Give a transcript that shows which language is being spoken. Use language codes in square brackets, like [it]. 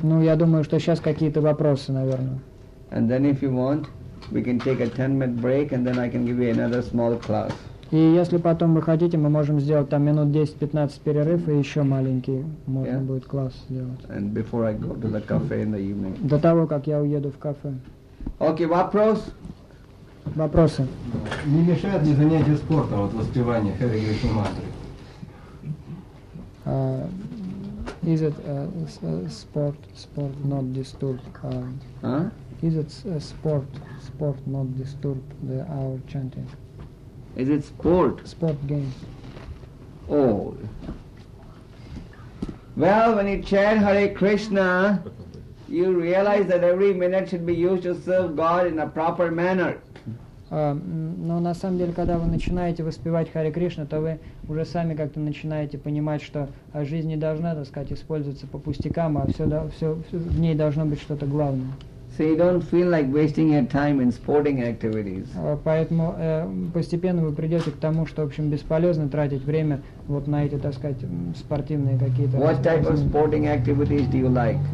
[ru] Ну, я думаю, что сейчас какие-то вопросы, наверное. [en] And then if you want, we can take a 10-minute break and then I can give you another small class. [ru] И если потом вы хотите, мы можем сделать там минут 10-15 перерыв и еще маленький можно yeah. будет класс сделать. [en] And before I go to the cafe in the evening. [ru] До того, как я уеду в кафе. Okay, вопрос? Вопросы. Не мешает ли занятие спорта, вот воспевание Hare Krishna Mantra? [en] Is it sport not disturb? Is it sport not disturb the our chanting? Is it sport? Sport game. Oh. Well, when you chant Hare Krishna, you realize that every minute should be used to serve God in a proper manner. [ru] Но на самом деле, когда вы начинаете воспевать Харе Кришна, то вы уже сами как-то начинаете понимать, что жизнь не должна, так сказать, использоваться по пустякам, а все в ней должно быть что-то главное. [en] So you don't feel like wasting your time in sporting activities. [ru] Поэтому постепенно вы придете к тому, что, в общем, бесполезно тратить время вот на эти, так сказать, спортивные какие-то... [en] What type of sporting activities do you like?